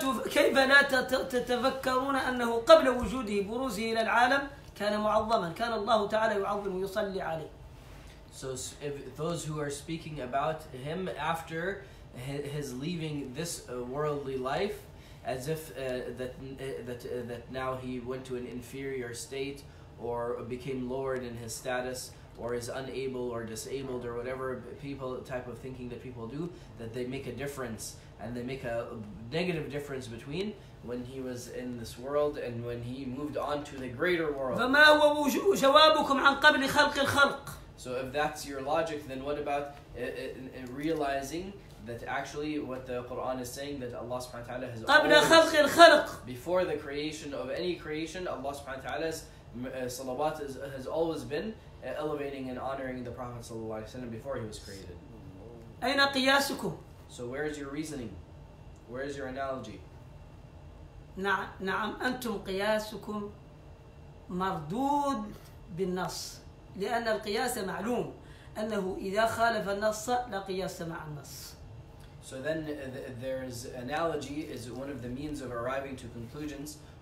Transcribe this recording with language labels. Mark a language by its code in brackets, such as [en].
[ar] كيف لا تتفكرون أنه قبل وجوده بروزه إلى العالم كان معظما كان الله تعالى يعظم ويصلي عليه. [en] So if those who are speaking about him after his leaving this worldly life, as if that now he went to an inferior state or became lowered in his status or is unable or disabled or whatever people type of thinking that people do, that they make a difference and they make a negative difference between when he was in this world and when he moved on to the greater world. [ar] فما هو جوابكم عن قبل خلق الخلق. [en] So if that's your logic, then what about realizing that actually what the Quran is saying, that Allah subhanahu wa ta'ala has [ar] قبل خلق الخلق [en] before the creation of any creation, Allah subhanahu wa ta'ala's salawat has always been elevating and honoring the Prophet sallallahu alaihi wasallam before he was created. [ar] أين قياسكم. [en] So where is your reasoning? Where is your analogy? [ar] نعم أنتم قياسكم مردود بالنص لأن القياس معلوم أنه إذا خالف النص لا قياس مع النص. [en] So then there's analogy is one of the means of arriving to conclusions.